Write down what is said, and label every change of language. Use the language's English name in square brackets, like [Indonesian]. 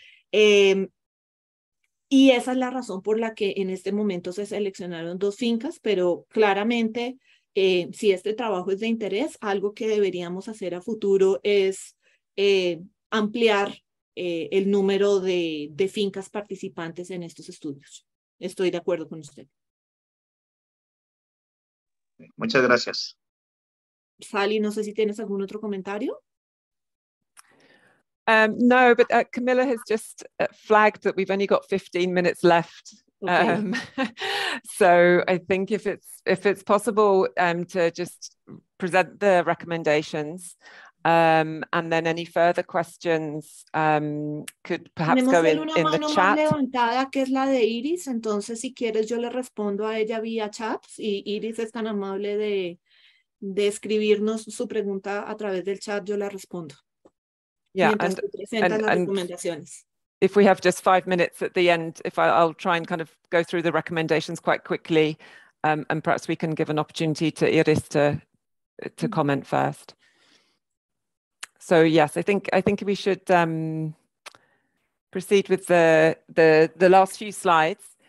[Spanish] Y esa es la razón por la que en este momento se seleccionaron dos fincas, pero claramente, si este trabajo es de interés, algo que deberíamos hacer a futuro es ampliar el número de fincas participantes en estos estudios. Estoy de acuerdo con usted. Muchas gracias. Sally, no sé si tienes algún otro comentario. [English] No, but Camila has just flagged that we've only got 15 minutes left. Okay. So I think if it's possible to just present the recommendations, and then any further questions could perhaps go in the chat. [Spanish] Tenemos una mano más levantada, que es la de Iris. Entonces, si quieres, yo le respondo a ella vía chat. Y Iris es tan amable de escribirnos su pregunta a través del chat. Yo la respondo. [English] Yeah, and recommendations. If we have just 5 minutes at the end, I'll try and kind of go through the recommendations quite quickly, and perhaps we can give an opportunity to Iris to comment first. So yes, I think we should proceed with the last few slides.